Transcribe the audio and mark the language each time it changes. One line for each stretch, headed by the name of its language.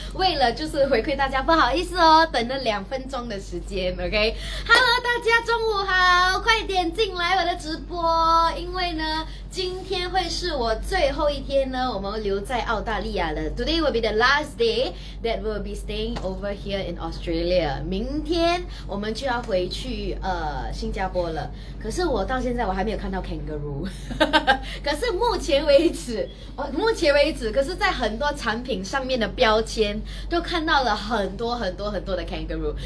Chinese: 为了就是回馈大家，不好意思哦，等了两分钟的时间。 OK, Hello, 大家中午好，快点进来我的直播，因为呢，今天会是我最后一天呢，我们留在澳大利亚了。
English: Today will be the last day that we'll be staying over here in Australia.
Chinese: 明天我们就要回去新加坡了。可是我到现在我还没有看到 kangaroo。可是目前为止，可是在很多产品上面的标签都看到了很多很多很多的 kangaroo。